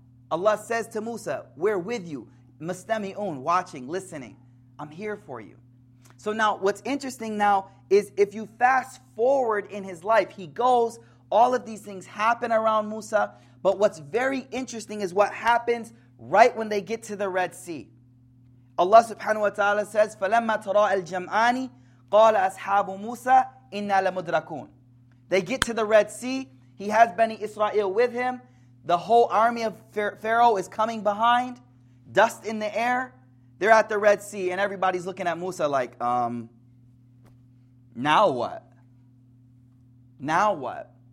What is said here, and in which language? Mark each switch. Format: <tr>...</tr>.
<en>Allah says to Musa, we're with you. Mustami'un, watching, listening. I'm here for you. So now, what's interesting now is, if you fast forward in his life, he goes, all of these things happen around Musa. But what's very interesting is what happens right when they get to the Red Sea. Allah subhanahu wa ta'ala says,</en> <ar>فَلَمَّا تَرَى الْجَمْعَانِ قَالَ أَصْحَابُ مُوسَى إِنَّا لَمُدْرَكُونَ.</ar> <en>They get to the Red Sea. He has Bani Israel with him. The whole army of Pharaoh is coming behind. Dust in the air. They're at the Red Sea, and everybody's looking at Musa like, now what? Now what?</en>